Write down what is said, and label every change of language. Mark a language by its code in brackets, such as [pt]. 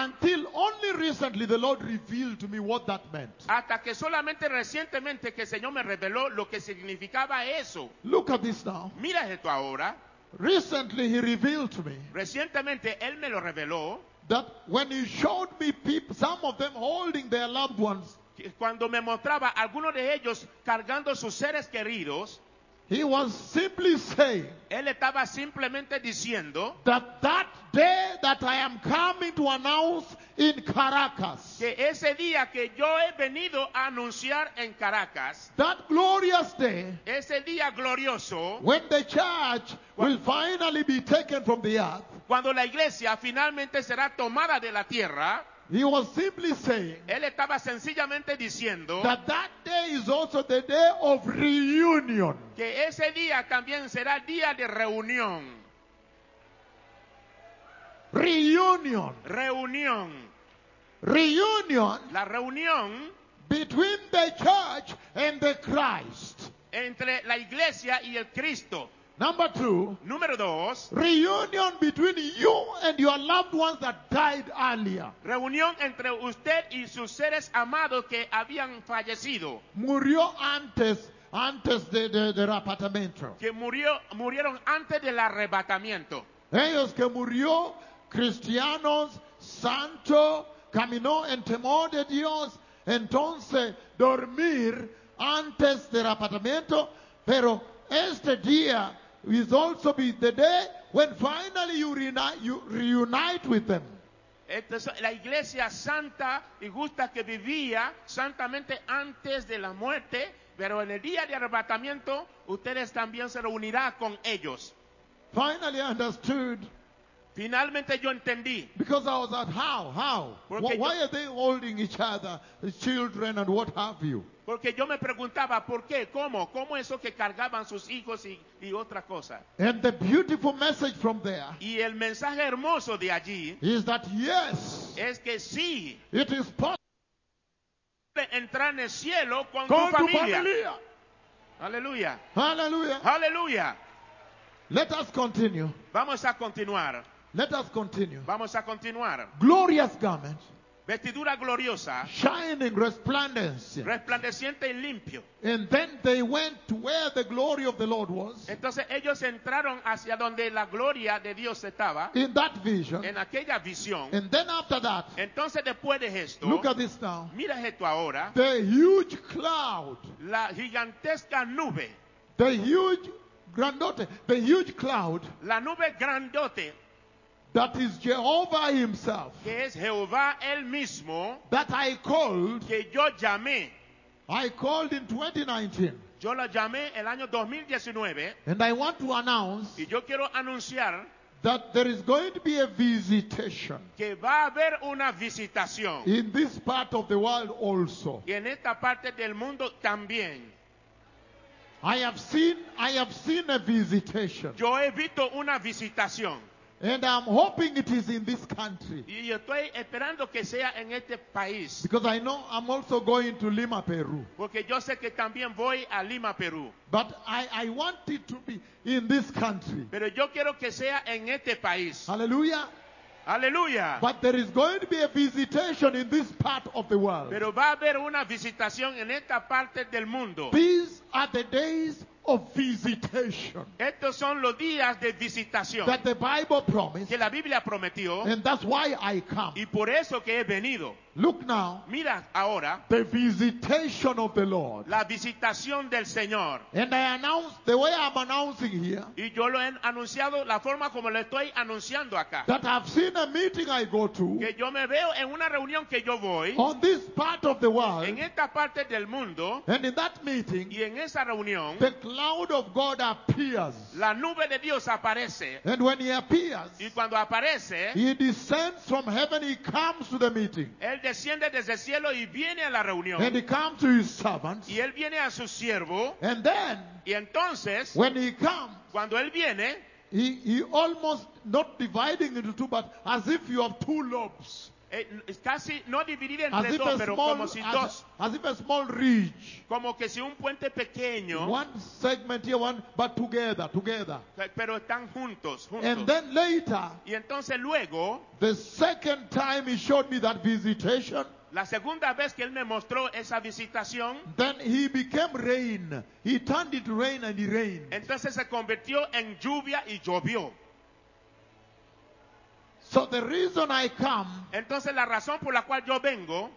[en] until only recently the Lord revealed to me what that meant. [es] Hasta que solamente recientemente que el Señor me reveló lo que significaba eso. [en] Look at this now. [es] Mira esto ahora. [en] Recently he revealed to me. [es] Recientemente él me lo reveló. [en] That when he showed me people, some of them holding their loved ones. [es] Cuando me mostraba algunos de ellos cargando sus seres queridos. [en] He was simply saying, [es] él estaba simplemente diciendo, [en] that day that I am coming to announce in Caracas, [es] que ese día que yo he venido a anunciar en Caracas, [en] that glorious day, [es] ese día glorioso, [en] when the church will finally be taken from the earth, [es] cuando la iglesia finalmente será tomada de la tierra. [en] He was simply saying, [es] él estaba sencillamente diciendo, [en] that day is also the day of reunion. [es] Que ese día también será día de reunión. [en] Reunion. [es] Reunión. [en] Reunion. [es] La reunión. [en] Between the church and the Christ. [es] Entre la iglesia y el Cristo. [en] Number two. [es] Número dos. [en] Reunion between you and your loved ones that died earlier. [es] Reunión entre usted y sus seres amados que habían fallecido. Murió antes de arrebatamiento. Que murieron antes del arrebatamiento. Ellos que murió cristianos, santo, caminó en temor de Dios, entonces dormir antes del arrebatamiento, pero este día [en] is also be the day when finally you reunite with them. [es] La iglesia santa y justa que vivía santamente antes de la muerte, pero en el día de arrebatamiento ustedes también se reunirán con ellos. [en] Finally I understood. [es] Finalmente yo entendí. [en] Because I was like, how? Why are they holding each other, the children and what have you? [es] Porque yo me preguntaba, ¿por qué? ¿Cómo? ¿Cómo eso que cargaban sus hijos y otra cosa? [en] And the beautiful message from there, [es] y el mensaje hermoso de allí, [en] is that yes, [es] es que sí, [en] it is possible [es] entrar en el cielo con tu familia. Aleluya. Aleluya. Aleluya. [en] Let us continue. [es] Vamos a continuar. [en] Let us continue. [es] Vamos a continuar. [en] Glorious garment. [es] vestidura gloriosa, [en] shining, resplandent, [es] resplandeciente y limpio. [en] And then they went to where the glory of the Lord was. [es] Entonces ellos entraron hacia donde la gloria de Dios estaba. [en] In that vision. [es] En aquella visión. [en] And then after that. [es] Entonces después de esto. [en] Look at this now. [es] Mira esto ahora. [en] The huge cloud. [es] La gigantesca nube. [en] The huge grandote. The huge cloud. [es] La nube grandote. [en] That is Jehovah himself. [es] Que es Jehová él mismo. [en] That I called. [es] Que yo llamé. [en] I called in 2019. [es] Yo la llamé el año 2019. [en] And I want to announce. [es] Y yo quiero anunciar. [en] That there is going to be a visitation. [es] Que va a haber una visitación. [en] In this part of the world also. [es] Y en esta parte del mundo también. [en] I have seen a visitation. [es] Yo he visto una visitación. [en] And I'm hoping it is in this country. [es] Y yo estoy esperando que sea en este país. [en] Because I know I'm also going to Lima, Peru. [es] Porque yo sé que también voy a Lima, Peru. [en] But I want it to be in this country. [es] Pero yo quiero que sea en este país. [en] Hallelujah. Hallelujah. But there is going to be a visitation in this part of the world. [es] Pero va a haber una visitación en esta parte del mundo. [en] These are the days of visitation. [es] Estos son los días de visitación. [en] That the Bible promised. [es] Que la Biblia prometió. [en] And that's why I come. [es] Y por eso que he venido. [en] Look now. [es] Mira ahora. [en] The visitation of the Lord. [es] La visitación del Señor. [en] And I announce the way I'm announcing here. [es] Y yo lo he anunciado la forma como lo estoy anunciando acá. [en] That I've seen a meeting I go to. [es] Que yo me veo en una reunión que yo voy. [en] On this part of the world. [es] En esta parte del mundo. [en] And in that meeting. [es] Y en esa reunión. [en] The cloud of God appears. [es] La nube de Dios aparece. [en] And when he appears. [es] Y cuando aparece. [en] He descends from heaven. He comes to the meeting. [es] Él desciende desde el cielo y viene a la reunión. [en] And he comes to his servants. [es] Y él viene a su siervo. [en] And then, [es] y entonces, [en] when he comes, [es] cuando él viene, [en] he almost not dividing into two, but as if you have two lobes. [es] Casi no dividido entre dos, pero [en] small, [es] como si dos. [en] As if a small ridge. [es] Como que si un puente pequeño. [en] One segment here, one, but together. [es] Pero están juntos. [en] And then later. [es] Y entonces luego. [en] The second time he showed me that visitation. [es] La segunda vez que él me mostró esa visitación. [en] Then he became rain. He turned it rain and it rained. [es] Entonces se convirtió en lluvia y llovió. [en] So the reason I come. [es] Entonces la razón por la cual yo vengo.